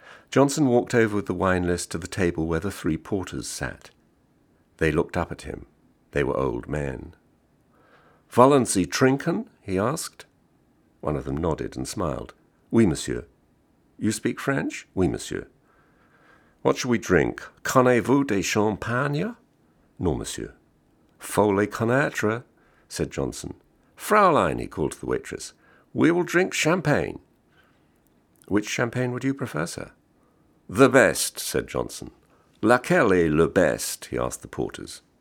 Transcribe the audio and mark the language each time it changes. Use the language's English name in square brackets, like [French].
[English] Johnson walked over with the wine list to the table where the 3 porters sat. They looked up at him. They were old men. [German] "Wollen Sie trinken?" [English] he asked. One of them nodded and smiled. [French] "Oui, monsieur." [English] "You speak French?" [French] "Oui, monsieur." [English] "What shall we drink? [French] Connez-vous des champagne?" "Non, monsieur." "Faut-les connaître," [English] said Johnson. "Fraulein," he called to the waitress, "we will drink champagne." "Which champagne would you prefer, sir?" "The best," said Johnson. [French] "Laquelle est le best?" [English] he asked the porters.